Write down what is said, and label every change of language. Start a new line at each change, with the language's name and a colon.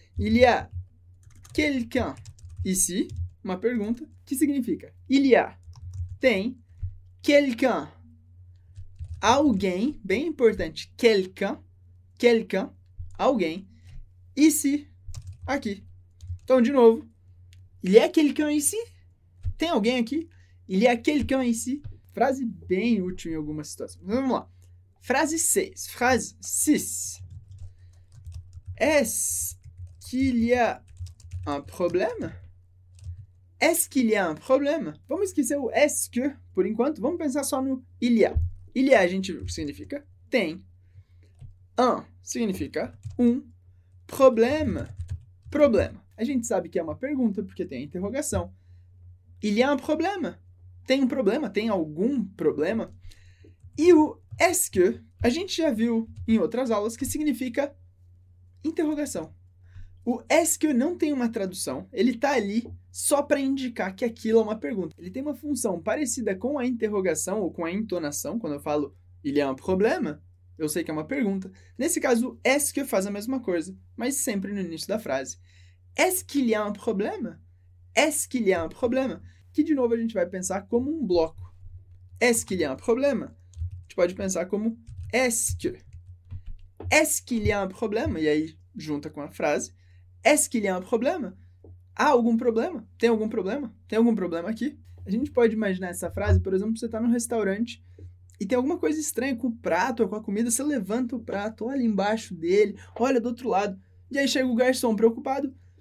Portuguese: Il y a quelqu'un ici, uma pergunta, que significa il y a, tem, quelqu'un, alguém, bem importante, quelqu'un, alguém, ici, aqui. Então, de novo,
French: il y a quelqu'un ici?
Portuguese: Tem alguém aqui?
French: Il y a quelqu'un ici?
Portuguese: Frase bem útil em algumas situações. Vamos lá. Frase 6. Frase 6.
French: Est-ce qu'il y a un problème? Est-ce qu'il y a un problème?
Portuguese: Vamos esquecer o est-ce que por enquanto. Vamos pensar só no il y a, a gente significa tem. Un significa um. Problème, problème. A gente sabe que é uma pergunta porque tem a interrogação.
French: Il y a un problème?
Portuguese: Tem um problema? Tem algum problema? E o est-ce que a gente já viu em outras aulas que significa interrogação. O est-ce que não tem uma tradução. Ele está ali só para indicar que aquilo é uma pergunta. Ele tem uma função parecida com a interrogação ou com a entonação. Quando eu falo
French: il y a un problème,
Portuguese: eu sei que é uma pergunta. Nesse caso, est-ce que faz a mesma coisa, mas sempre no início da frase.
French: Est-ce qu'il y a un problème? Est-ce qu'il y a un problème?
Portuguese: Que, de novo, a gente vai pensar como um bloco.
French: Est-ce qu'il y a un problème?
Portuguese: A gente pode pensar como
French: est-ce que. Est-ce qu'il y a un problème?
Portuguese: E aí, junta com a frase.
French: Est-ce qu'il y a un problème?
Portuguese: Há algum problema? Tem algum problema? Tem algum problema aqui? A gente pode imaginar essa frase, por exemplo, você está num restaurante e tem alguma coisa estranha com o prato ou com a comida, você levanta o prato, olha embaixo dele, olha do outro lado, e aí chega o garçom preocupado.